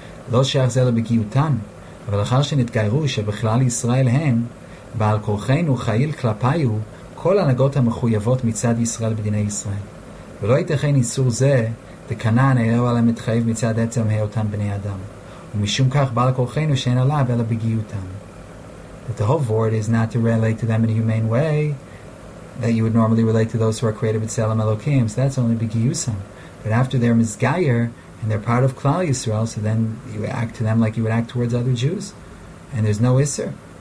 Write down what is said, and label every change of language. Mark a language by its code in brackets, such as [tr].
[he] lo she'ach zeh l'begiutan, aval lachar shenitgayru shebechlal Yisrael hem, ba'al korcheinu chayil klapayu kol hanagot hamechuyavot mitzad Yisrael b'dinei Yisrael, ולא יתכן איסור זה וכנען אהיו עליהם מתחייב מצד עצם היותם בני אדם. ומשום כך בעל כורחנו שאין עליו אלא בגיעותם. [en] But the whole word is not to relate to them in a humane way that you would normally relate to those who are created with Selam Elohim. So that's only בגיעותם. But after they're Mizgayer and they're part of Klal Yisrael, so then you act to them like you would act towards other Jews. And there's no Isser.